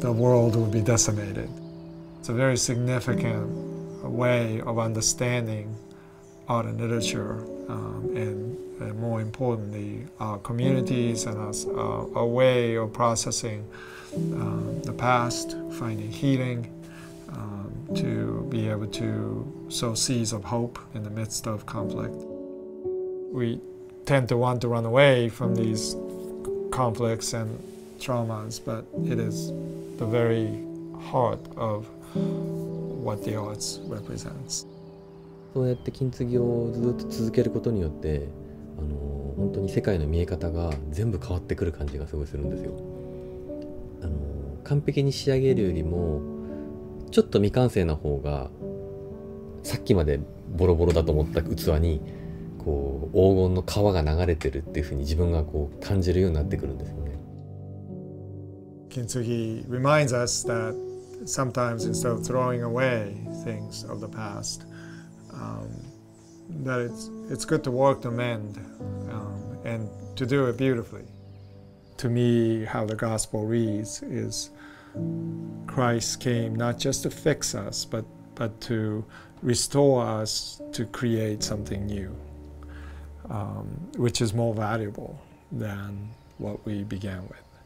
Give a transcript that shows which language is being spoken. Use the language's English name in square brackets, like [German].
[English] The world would be decimated. It's a very significant way of understanding art and literature, and more importantly, our communities and us, a way of processing the past, finding healing, to be able to sow seeds of hope in the midst of conflict. We tend to want to run away from these conflicts and traumas, but it is the very heart of what the arts represents. [Japanese] そうやって金継ぎをずっと続けることによって、本当に世界の見え方が全部変わってくる感じがすごいするんですよ。完璧に仕上げるよりもちょっと未完成な方が、さっきまでボロボロだと思った器にこう黄金の川が流れてるっていう風に自分がこう感じるようになってくるんですよね。 [English] Kintsugi reminds us that sometimes instead of throwing away things of the past, that it's good to work to mend, and to do it beautifully. To me, how the gospel reads is Christ came not just to fix us, but to restore us to create something new, which is more valuable than what we began with.